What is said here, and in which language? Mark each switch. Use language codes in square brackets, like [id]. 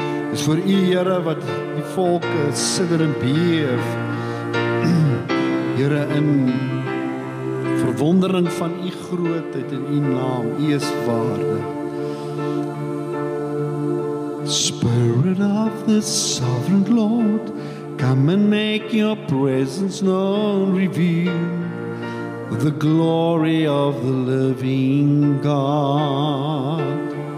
[af] Dis vir u Here wat die volke sidder en beef. Here, in verwondering van u grootheid en u naam, u is waardig. [en] Spirit of the sovereign Lord, come and make your presence known, reveal the glory of the living God.